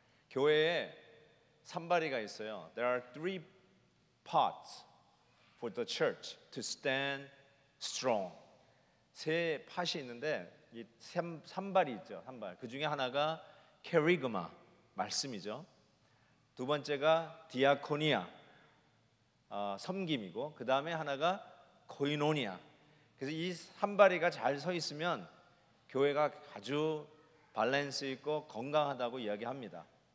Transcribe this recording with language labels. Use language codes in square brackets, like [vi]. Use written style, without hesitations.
[ko] 교회에 삼바리가 있어요. [en] There are three parts for the church to stand strong. [ko] 세 팟이 있는데 이 삼바리 있죠. 삼발. 그 중에 하나가 캐리그마 말씀이죠. 두 번째가 디아코니아 섬김이고 그 다음에 하나가 코이노니아. 그래서 이 삼바리가 잘 서 있으면 교회가 아주 밸런스 있고 건강하다고 이야기합니다.